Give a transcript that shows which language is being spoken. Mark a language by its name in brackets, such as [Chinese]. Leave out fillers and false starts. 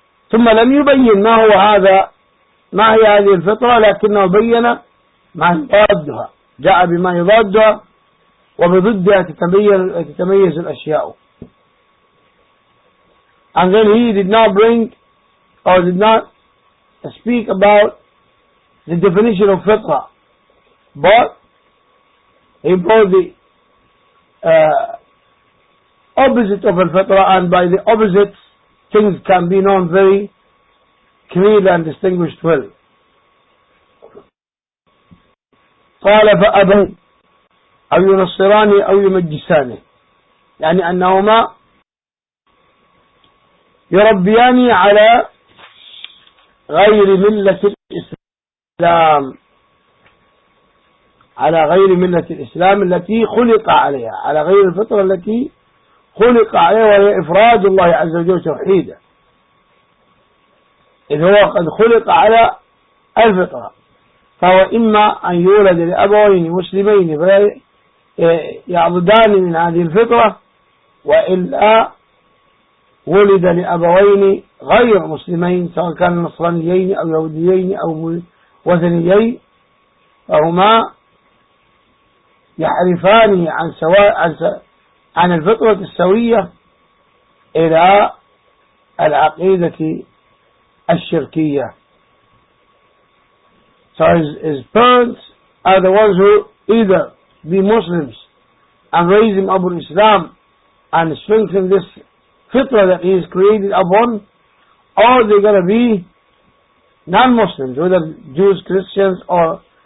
[Arabic] ثم لم يبين ما هو هذا ما هي هذه الفطرة لكنه بين ما يضادها جاء بما يضادها وبضدها تتميز الأشياء. [English] And then he did not bring or did not speak about the definition of fitra, but he brought the opposite of al-fitra, and by the opposite things can be known very clearly and distinguished well. [Arabic] قال فأبن أو ينصراني أو يمجساني يعني أنهما يربياني على غير ملة الإسلام على غير ملة الإسلام التي خلق عليها على غير الفطرة التي خلق عليها وهي إفراد الله عز وجل توحيده إذ هو قد خلق على الفطرة فهو إما أن يولد لأبوين مسلمين يعضدان من هذه الفطرة وإلا ولد لأبوين غير مسلمين سواء كان نصرانيين أو يهوديين أو وثنيين فهما يحرفان عن سواء عن الفطرة السوية إلى العقيدة الشركية. [English] So his parents are the ones who either be Muslims and raise him up in Islam and strengthen this fitrah that he is created upon, or they're going to be non-Muslims, whether Jews, Christians, or